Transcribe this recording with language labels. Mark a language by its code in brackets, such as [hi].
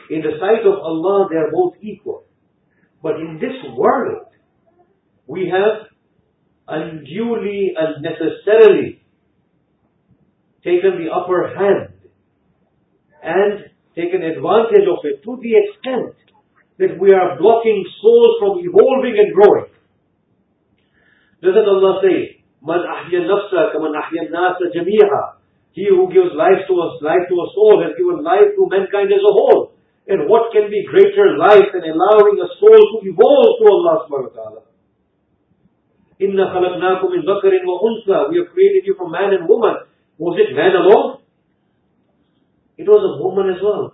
[en] In the sight of Allah, they are both equal. But in this world, we have unduly and necessarily taken the upper hand and taken advantage of it to the extent that we are blocking souls from evolving and growing. Doesn't Allah say, [ar] مَنْ أَحْيَ النَّفْسَ كَمَنْ أَحْيَ النَّاسَ جَمِيعًا? [en] He who gives life to us, life to us all, has given life to mankind as a whole. And what can be greater life than allowing a soul to evolve to Allah subhanahu wa ta'ala? [ar] Inna khalaqnakum min dhakarin wa unsa. [en] We have created you from man and woman. Was it man alone? It was a woman as well.